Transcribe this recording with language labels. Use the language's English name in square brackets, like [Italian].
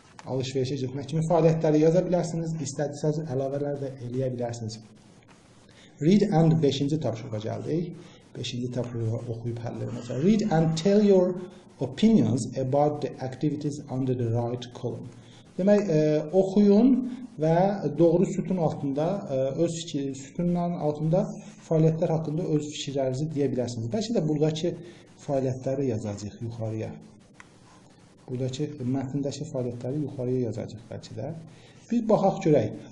[Azerbaijani] Alışverişə getmək kimi fəaliyyətləri yaza bilərsiniz, istədiyiniz əlavələr də eləyə bilərsiniz. [English] Read and [Azerbaijani] 5-ci tapşırıqa gəldik. 5-ci tapşırıqa oxuyub həllərimizə. [English] Read and tell your opinions about the activities under the right column. [Azerbaijani] Demək, oxuyun və doğru sütun altında, öz sütunların altında fəaliyyətlər haqqında öz fikirlərinizi deyə bilərsiniz. Bəlkə də buradakı fəaliyyətləri yazacaq yuxarıya. Buradakı mətnindəki fəaliyyətləri yuxarıya yazacaq bəlkə də. Biz baxaq görək.